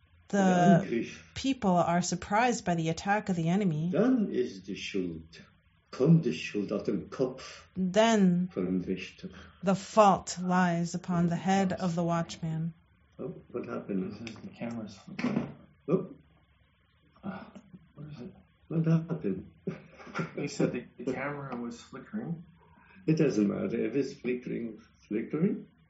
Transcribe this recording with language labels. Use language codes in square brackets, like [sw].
[en] the people are surprised by the attack of the enemy, [de] dann ist die Schuld, kommt die Schuld auf den Kopf, [en] then [de] von dem Wächter. [en] The fault lies upon the head of the watchman. Oh, what happened? This is the camera's flickering. Oh. What happened? You said the camera was flickering. It doesn't matter. If it's flickering, flickering?